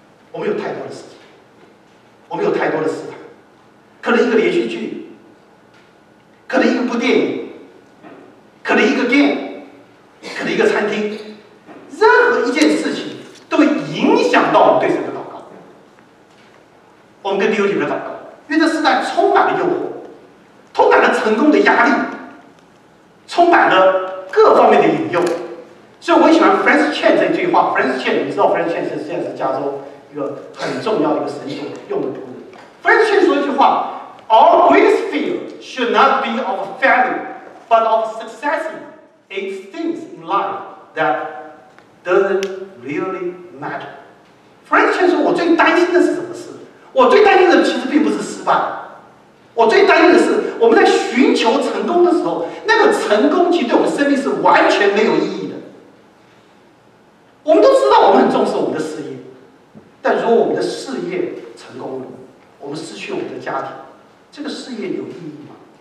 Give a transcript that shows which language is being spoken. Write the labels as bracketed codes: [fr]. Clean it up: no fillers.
[zh] 我们有太多的试探，我们有太多的试探。可能一个连续剧，可能一个部电影，可能一个店，可能一个餐厅，任何一件事情都会影响到我们对神的祷告，我们跟弟兄姐妹的祷告。因为这时代充满了诱惑，充满了成功的压力，充满了各方面的引诱。所以我喜欢 Francis Chan 这句话。Francis Chan， 你知道 Francis Chan 是现在是加州一个很重要的一个神学用的读者。 [en] Francis Chan 说一句话： Our greatest fear should not be of failure but of successing in things in life that doesn't really matter. [zh] Francis Chan 说我最担心的是什么事？我最担心的其实并不是失败，我最担心的是我们在寻求成功的时候，那个成功其实对我们生命是完全没有意义。我们都知道我们很重视我们的事业，但如果我们的事业成功了，我们失去我们的家庭，这个事业有意义吗？